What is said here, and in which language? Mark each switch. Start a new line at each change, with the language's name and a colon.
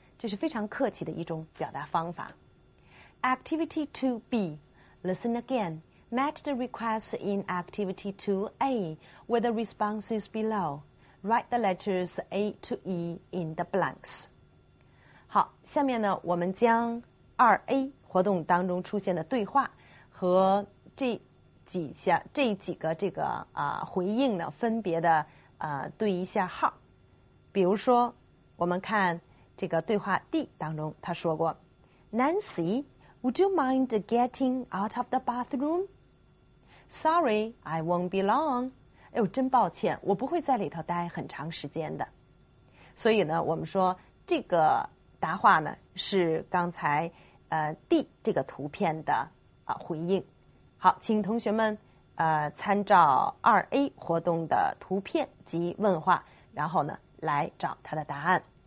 Chinese: 这是非常客气的一种表达方法。
English: Activity 2B, listen again. Match the requests in Activity 2A with the responses below. Write the letters A to E in the blanks.
Chinese: 好，下面呢，我们将 2A 活动当中出现的对话和这几个回应呢，分别的对一下号。比如说，我们看这个对话 D 当中，他说过 ，Nancy。
English: Would you mind getting out of the bathroom? Sorry, I won't be long.
Chinese: 哎呦，真抱歉，我不会在里头待很长时间的。所以呢，我们说这个答话呢是刚才D 这个图片的回应。好，请同学们参照 2A 活动的图片及问话，然后呢来找它的答案。